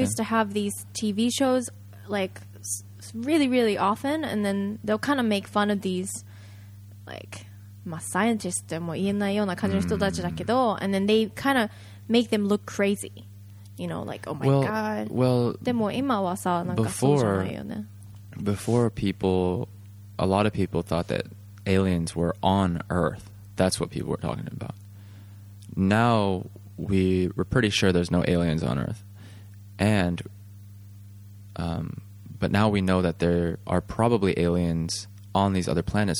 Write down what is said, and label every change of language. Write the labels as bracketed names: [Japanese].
[English] Used to have these TV shows like really, really often. And then they'll kind of make fun of these like, scientists [Japanese] とも言えないような感じの人たちだけど。 [English] And then they kind of make them look crazy, you know, like, oh my god. Well, [Japanese] でも今はさ、なんかそうじゃないよね。 [English] Before people, a lot of people thought that aliens were on Earth. That's what people were talking about. Now, we're pretty sure there's no aliens on Earth. And, but now we know that there are probably aliens on these other planets.